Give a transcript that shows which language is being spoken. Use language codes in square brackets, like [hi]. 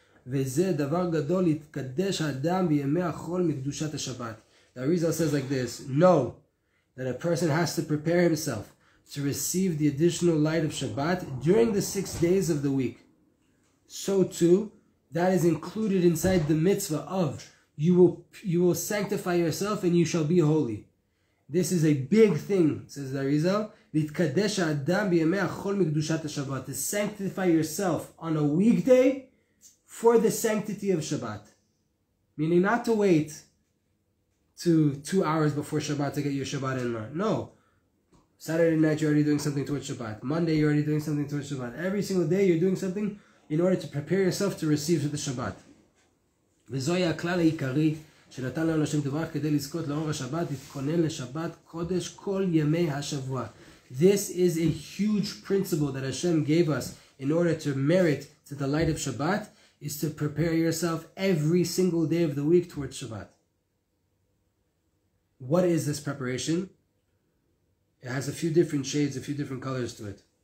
[he] וזה דבר גדול להתקדש האדם בימי החול מקדושת השבת. [en] The Arizal says like this, no, that a person has to prepare himself to receive the additional light of Shabbat during the 6 days of the week. So too, that is included inside the mitzvah of you will sanctify yourself and you shall be holy. This is a big thing, says the Arizal, [he] להתקדש האדם בימי החול מקדושת השבת, [en] to sanctify yourself on a weekday for the sanctity of Shabbat. Meaning not to wait to 2 hours before Shabbat to get your Shabbat in line. No. Saturday night you're already doing something towards Shabbat. Monday you're already doing something towards Shabbat. Every single day you're doing something in order to prepare yourself to receive the Shabbat. [he] וזוהי הכלל העיקרי שנתן לנו השם דבר כדי לזכות לאור השבת, להתכונן לשבת קודש כל ימי השבוע. [en] This is a huge principle that Hashem gave us in order to merit to the light of Shabbat, is to prepare yourself every single day of the week towards Shabbat. What is this preparation? It has a few different shades, a few different colors to it.